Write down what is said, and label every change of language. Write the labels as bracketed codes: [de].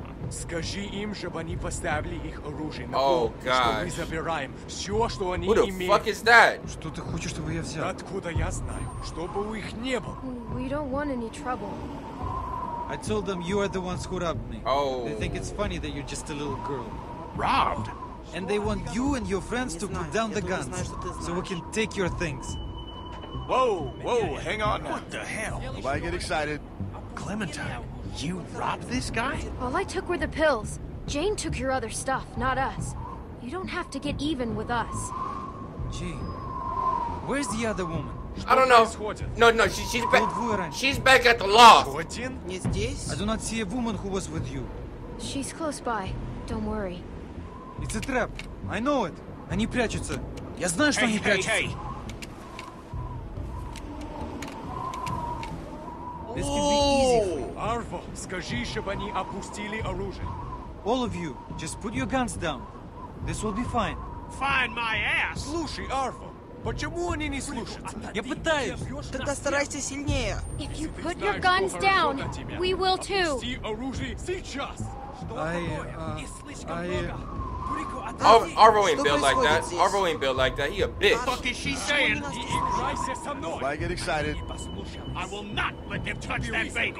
[ru] Скажи им, чтобы они поставили их оружие на пол, что мы забираем все, что они имеют. [en] What the fuck is that? [ru] Что ты хочешь, чтобы я взял? Откуда я знаю? Чтобы у их не было. [en] We don't want any trouble. I told them you are the ones who robbed me. Oh. They think it's funny that you're just a little girl. Robbed? And they want you and your friends to put down the guns, so we can take your things. Whoa, hang on. What the hell? Why get excited? Clementine, you robbed this guy? All I took were the pills. Jane took your other stuff, not us. You don't have to get even with us. Gee, where's the other woman? I don't know. No, she's back. She's back at the loft. I do not see a woman who was with you. She's close by. Don't worry. It's a trap. I know it. [ru] Они прячутся. Я знаю, что они прячутся. [en] Hey. This could be easy for you. [ru] Арво, скажи, чтобы они опустили оружие. [en] All of you, just put your guns down. This will be fine. Find my ass! [ru] Слушай, Арво, почему они не слушают? Я пытаюсь. Тогда старайся сильнее. [en] If you put your guns down, we will too. [ru] Опусти оружие сейчас. [en] Arvo ain't built like that. Arvo ain't built like that. He a bitch. What the fuck is she saying? Why get excited? I will not let them touch that baby.